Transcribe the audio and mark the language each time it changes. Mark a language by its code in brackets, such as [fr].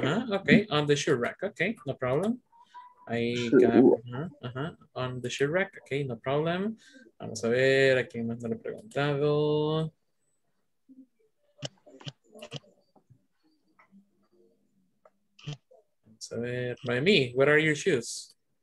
[en] Ok, on the shoe rack, ok, no problem. [es] Ahí cada, [en] on the shoe rack, ok, no problem. [es] Vamos a ver a quién más me lo he preguntado. Vamos a ver, [en] Noemí, what are your shoes?